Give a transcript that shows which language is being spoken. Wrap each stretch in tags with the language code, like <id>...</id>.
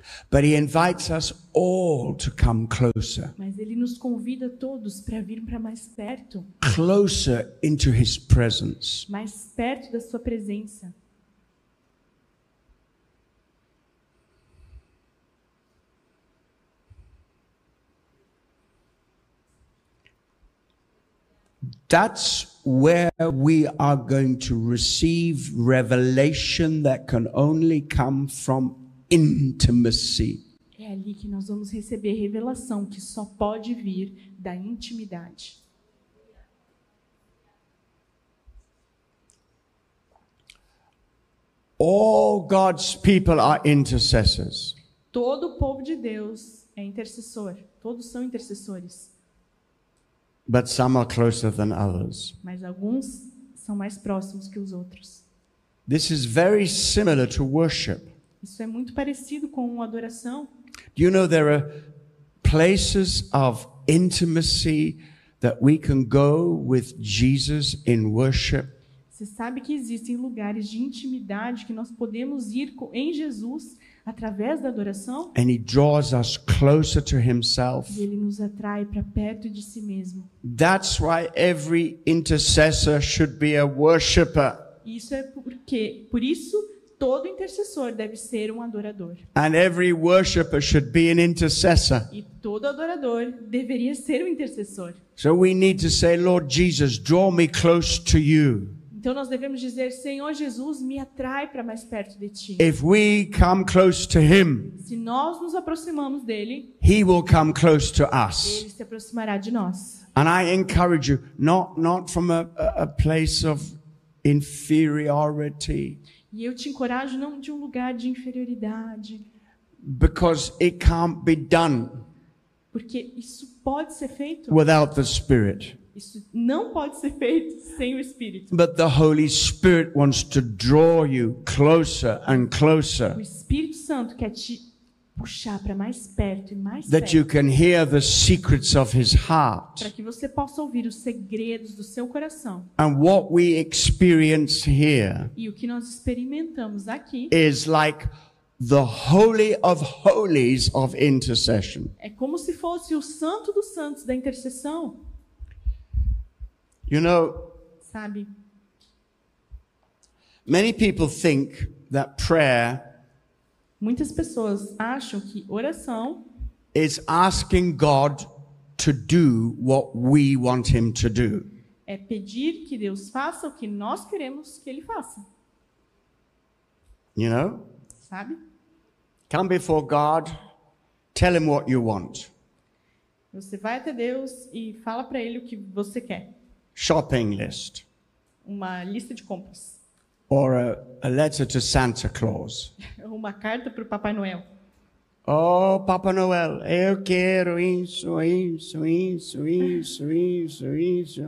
<en>But he invites us all to come closer.</en> <pt>Mas ele nos convida todos para vir para mais perto.</pt> <en>Closer into his presence.</en> <pt>Mais perto da sua presença.</pt> <en>That's where we are going to receive revelation that can only come from intimacy.</en> <pt>É ali que nós vamos receber revelação que só pode vir da intimidade.</pt> <en>All God's people are intercessors.</en> <pt>Todo o povo de Deus é intercessor. Todos são intercessores.</pt> <en>But some are closer than others.</en> <pt>Mas alguns são mais próximos que os outros.</pt> <en>This is very similar to worship.</en> <pt>Isso é muito parecido com uma adoração.</pt> <en>Do you know there are places of intimacy that we can go with Jesus in worship?</en> <pt>Você sabe que existem lugares de intimidade que nós podemos ir em Jesus através da adoração?</pt> <en>And he draws us closer to himself.</en> <pt>E ele nos atrai para perto de si mesmo.</pt> <en>That's why every intercessor should be a worshipper.</en> <pt>Isso é porque, por isso, todo intercessor deve ser um adorador.</pt> <en>And every worshipper should be an intercessor.</en> <pt>E todo adorador deveria ser um intercessor.</pt> <en>So we need to say, Lord Jesus, draw me close to you.</en> <pt>Então nós devemos dizer, Senhor Jesus, me atrai para mais perto de ti.</pt> <en>If we come close to him,</en> <pt>se nós nos aproximamos dele,</pt> <en>he will come close to us.</en> <pt>Ele se aproximará de nós.</pt> <en>And I encourage you, not from a place of inferiority.</en> <pt>E eu te encorajo não de um lugar de inferioridade.</pt> <en>Because it can't be done.</en> <pt>Porque isso pode ser feito.</pt> <en>Without the Spirit.</en> <pt>Isso não pode ser feito sem o Espírito.</pt> <en>But the Holy Spirit wants to draw you closer and closer.</en> <pt>O Espírito Santo quer te puxar para mais perto e mais perto.</pt> <en>That you can hear the secrets of his heart.</en> <pt>Para que você possa ouvir os segredos do seu coração.</pt> <en>And what we experience here.</en> <pt>E o que nós experimentamos aqui.</pt> <en>Is like the Holy of Holies of intercession.</en> <pt>É como se fosse o Santo dos Santos da intercessão.</pt> <en>You know,</en> <pt>sabe?</pt> <en>Many people think that prayer.</en> <pt>Muitas pessoas acham que oração</pt> <en>is asking God to do what we want him to do.</en> <pt>É pedir que Deus faça o que nós queremos que ele faça.</pt> <en>You know?</en> <pt>Sabe?</pt> <en>Come before God, tell him what you want.</en> <pt>Você vai até Deus e fala para ele o que você quer.</pt> <en>Shopping list.</en> <pt>Uma lista de compras.</pt> <en>Or a letter to Santa Claus.</en> <pt>Uma carta para o Papai Noel. Oh, Papai Noel, eu quero isso, isso, isso, isso, isso, isso.</pt>